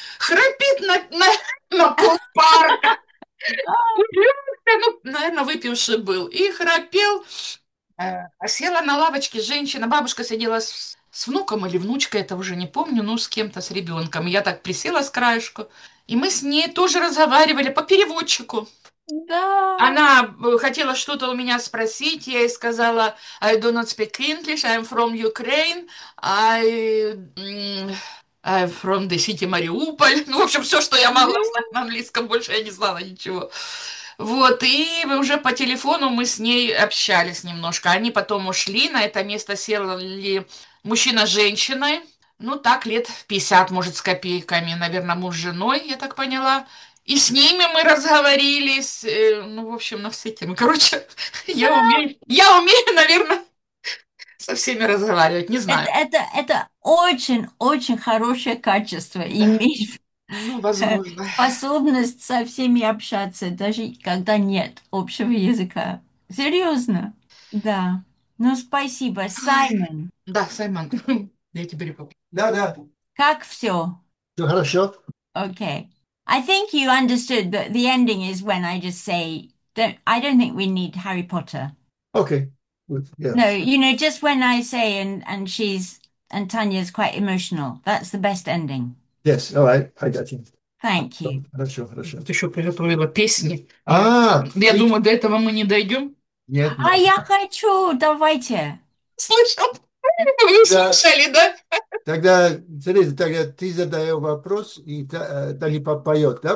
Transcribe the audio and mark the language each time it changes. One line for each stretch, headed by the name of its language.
Russian: Храпит на пол парка. Ну, наверное, выпивший был. И храпел. Села на лавочке женщина. Бабушка сидела с внуком или внучкой, это уже не помню, но с кем-то, с ребенком. Я так присела с краешку. И мы с ней тоже разговаривали по переводчику. Она хотела что-то у меня спросить, я ей сказала,
English: I do not speak English, I'm from Ukraine, I'm from the city Mariupol.
Russian: Ну, в общем, все, что я могла знать на английском, больше я не знала ничего. Вот, и мы уже по телефону мы с ней общались немножко. Они потом ушли, на это место сели мужчина с женщиной, ну, так, лет 50, может, с копейками, наверное, муж с женой, я так поняла. И с ними мы разговорились, ну, в общем, на все темы. Короче, я умею, наверное, со всеми разговаривать, не знаю. Это очень-очень хорошее качество иметь Ну, возможно. способность со всеми общаться, даже когда нет общего языка. Серьезно? Да. Ну, спасибо, Саймон. Да, Саймон, я теперь попробую. Да. Как все? Все хорошо?
English: Окей. Okay. I think you understood, but the ending is when I just say Don't, I don't think we need Harry Potter. Okay. No, Yes. you know, just when I say and she's and Tanya's quite emotional, that's the best ending. Yes. All right. I got you. Thank you.
Russian: Хорошо, хорошо. Ты что, приготовила песни? А, Я думаю, до этого мы не дойдем. нет, А нет. я хочу, давайте. Слышал? Вы Да. слышали, да? Тогда, смотри, тогда ты задаешь вопрос, и Талипа поет, да?